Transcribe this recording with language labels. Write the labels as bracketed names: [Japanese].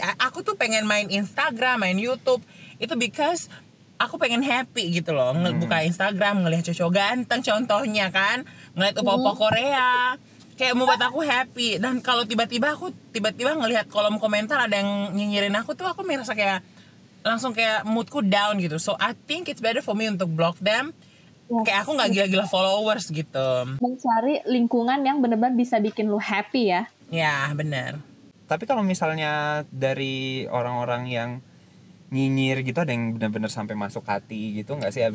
[Indonesian] Aku tuh pengen main Instagram, main YouTube, itu because aku pengen happy gitu loh. Buka Instagram, ngelihat cowok ganteng contohnya kan, ngelihat opo-opo Korea, kayak membuat aku happy. Dan kalau tiba-tiba aku tiba-tiba ngelihat kolom komentar ada yang nyinyirin aku tuh, aku merasa kayak langsung kayak moodku down gitu. [English] So I think it's better for me untuk block them. [Indonesian] Yes. Kayak aku gak gila-gila followers gitu. Mencari lingkungan yang benar-benar bisa bikin lu happy ya. Ya benar. Tapi kalau misalnya dari orang-orang yang nyinyir gitu, ada yang benar-benar sampai masuk hati gitu gak sih?